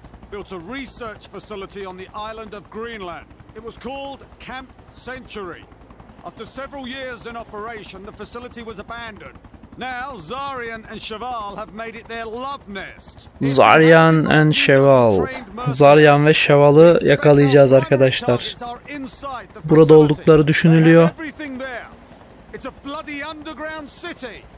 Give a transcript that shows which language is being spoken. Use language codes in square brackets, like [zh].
[en] Built a research facility on the island of Greenland. It was called Camp Century. After several years in operation, the facility was abandoned. Now Zarian and Cheval have made it their love nest. Zarian and Cheval. [tr] Zarian ve Cheval'ı yakalayacağız arkadaşlar. Burada oldukları düşünülüyor. [en] It's a bloody underground city.